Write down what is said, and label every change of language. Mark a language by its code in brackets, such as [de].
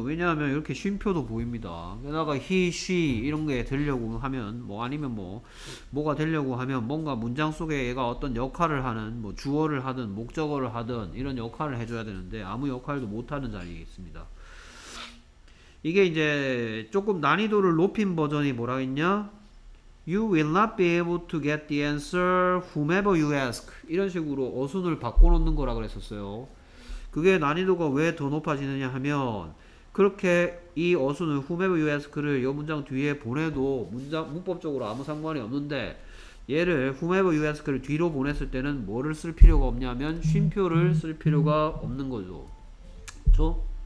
[ko] 왜냐하면 이렇게 쉼표도 보입니다. 게다가 he, she 이런 게 되려고 하면 뭐 아니면 뭐가 되려고 하면 뭔가 문장 속에 얘가 어떤 역할을 하는 뭐 주어를 하든 목적어를 하든 이런 역할을 해줘야 되는데 아무 역할도 못하는 자리에 있습니다. 이게 이제 조금 난이도를 높인 버전이 뭐라 했냐? [en] You will not be able to get the answer whomever you ask. [ko] 이런 식으로 어순을 바꿔놓는 거라 그랬었어요. 그게 난이도가 왜더 높아지느냐 하면, 그렇게 이 어순을 [en] whomever you ask [ko] 를 이 문장 뒤에 보내도 문법적으로 아무 상관이 없는데, 얘를 whomever you ask를 뒤로 보냈을 때는 뭐를 쓸 필요가 없냐면, 쉼표를 쓸 필요가 없는 거죠. 그쵸?